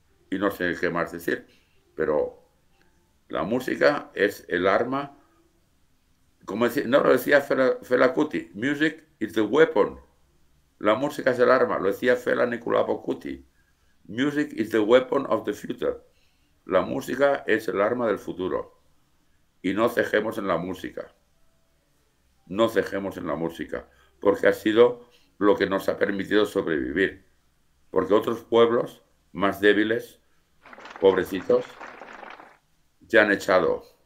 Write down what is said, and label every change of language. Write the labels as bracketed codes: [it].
[es] Y no sé qué más decir, pero la música es el arma. Como decía, no lo decía Fela Kuti, [en] music is the weapon. [es] La música es el arma, lo decía Fela Nicolapo Kuti. [en] Music is the weapon of the future. [es] La música es el arma del futuro. Y no cejemos en la música. No cejemos en la música, porque ha sido lo que nos ha permitido sobrevivir. Porque otros pueblos más débiles, pobrecitos, se han echado.